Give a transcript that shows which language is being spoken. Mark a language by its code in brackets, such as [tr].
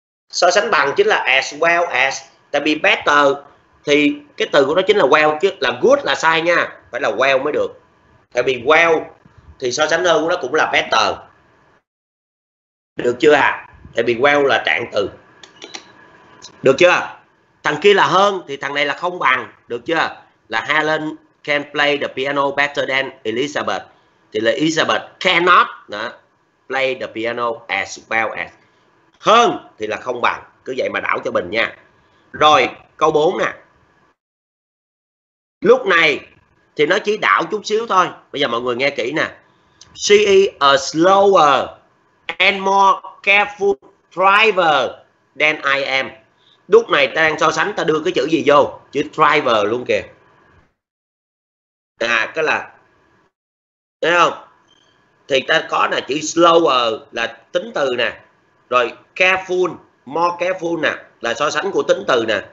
[vi] So sánh bằng chính là [en] as well as. [vi] Tại vì better thì cái từ của nó chính là well, chứ là good là sai nha. Phải là well mới được. Tại vì well thì so sánh hơn của nó cũng là better. Được chưa ạ? À? Tại vì well là trạng từ. Được chưa? thằng kia là hơn thì thằng này là không bằng, được chưa? [en] Là Helen can play the piano better than Elizabeth, [vi] thì là [en] Elizabeth cannot play the piano as well as. [vi] Hơn thì là không bằng, cứ vậy mà đảo cho Bình nha. Rồi câu 4 nè. Lúc này thì nó chỉ đảo chút xíu thôi. Bây giờ mọi người nghe kỹ nè. [en] She is a slower and more careful driver than I am. [vi] Lúc này ta đang so sánh, ta đưa cái chữ gì vô? Chữ driver luôn kìa. À, cái là, thấy không? Thì ta có nè, chữ slower là tính từ nè. Rồi careful, more careful nè, là so sánh của tính từ nè.